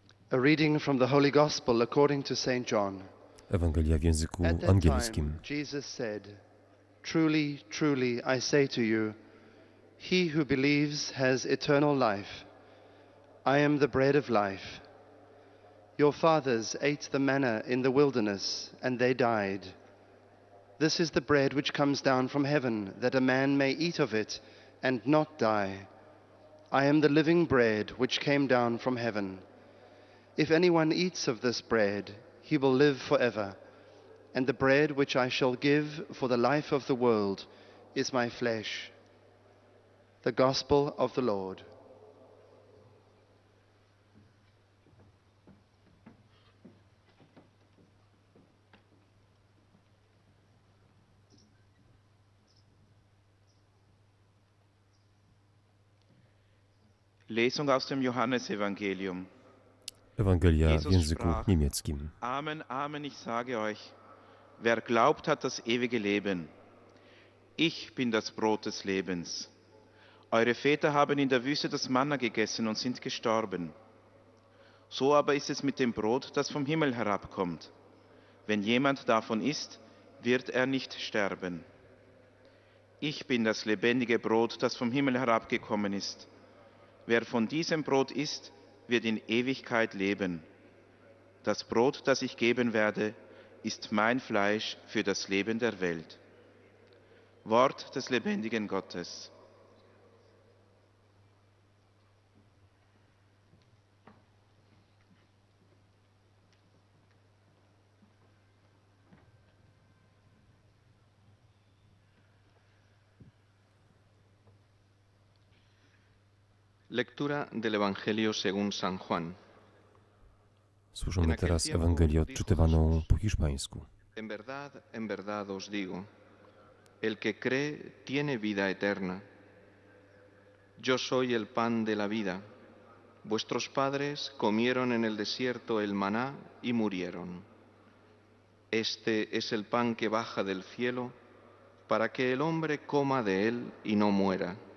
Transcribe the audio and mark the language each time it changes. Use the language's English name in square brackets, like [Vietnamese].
[English] A reading from the Holy Gospel according to Saint John. [Polish] Ewangelia w języku angielskim. [English] Jesus said, truly, truly, I say to you, he who believes has eternal life. I am the bread of life. Your fathers ate the manna in the wilderness, and they died. This is the bread which comes down from heaven, that a man may eat of it and not die. I am the living bread which came down from heaven. If anyone eats of this bread, he will live forever. And the bread which I shall give for the life of the world is my flesh. The Gospel of the Lord. [German] Lesung aus dem Johannesevangelium. [Polish] Ewangelia w języku niemieckim. [German] Amen, amen, ich sage euch, wer glaubt, hat das ewige Leben. Ich bin das Brot des Lebens. Eure Väter haben in der Wüste das Manna gegessen und sind gestorben. So aber ist es mit dem Brot, das vom Himmel herabkommt. Wenn jemand davon isst, wird er nicht sterben. Ich bin das lebendige Brot, das vom Himmel herabgekommen ist. Wer von diesem Brot isst, wird in Ewigkeit leben. Das Brot, das ich geben werde, ist mein Fleisch für das Leben der Welt. Wort des lebendigen Gottes. [Spanish] Lektura del Evangelio según San Juan. [Polish] Słyszymy teraz Ewangelię odczytywaną po hiszpańsku. [Spanish] En verdad os digo, el que cree tiene vida eterna. Yo soy el pan de la vida. Vuestros padres comieron en el desierto el maná y murieron. Este es el pan que baja del cielo para que el hombre coma de él y no muera.